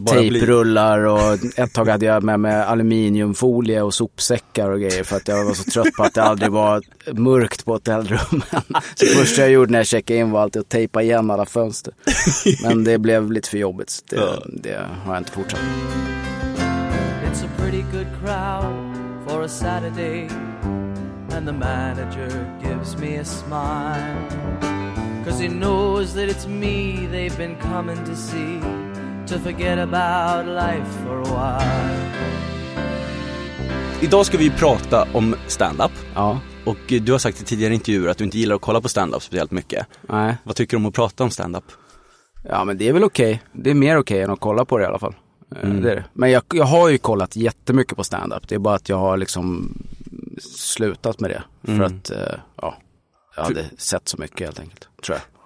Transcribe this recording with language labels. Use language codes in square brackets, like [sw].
[sv] bara tejprullar och ett tag hade jag med aluminiumfolie och sopsäckar och grejer. För att jag var så trött på att det aldrig var mörkt på hotellrummen. Så det första jag gjorde när jag checkade in var alltid att tejpa igen alla fönster. Men det blev lite för jobbigt. Det har jag inte fortsatt. [en] It's a pretty good crowd for a Saturday, and the manager gives me a smile, 'cause he knows that it's me they've been coming to see, to forget about life for a while. [sv] Idag ska vi prata om stand-up. Ja. Och du har sagt i tidigare intervjuer att du inte gillar att kolla på stand-up speciellt mycket. Nej. Vad tycker du om att prata om stand-up? Ja, men det är väl okej. Okay. Det är mer okej okay än att kolla på det i alla fall. Mm. Det är det. Men jag har ju kollat jättemycket på stand-up. Det är bara att jag har liksom slutat med det. För att jag hade sett så mycket helt enkelt, tror jag.